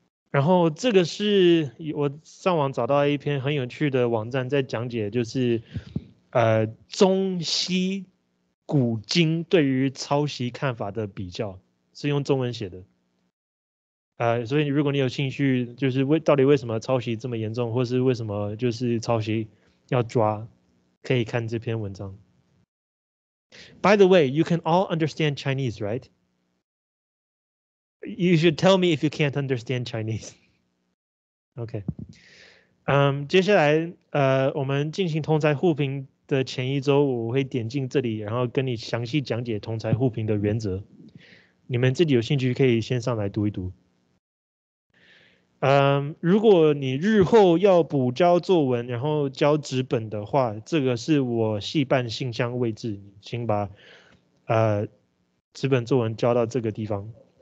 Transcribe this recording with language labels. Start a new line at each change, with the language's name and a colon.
Chinese: 然后这个是我上网找到一篇很有趣的网站，在讲解就是中西古今对于抄袭看法的比较，是用中文写的。所以如果你有兴趣，就是到底为什么抄袭这么严重，或是为什么就是抄袭要抓，可以看这篇文章。
English: By the way, you can all understand Chinese, right? You should tell me if you can't understand Chinese. Okay.
Chinese: 接下来我们进行同侪互评的前一周，我会点进这里，然后跟你详细讲解同侪互评的原则。你们自己有兴趣可以先上来读一读。如果你日后要补交作文然后交纸本的话，这个是我系办信箱位置，请把纸本作文交到这个地方。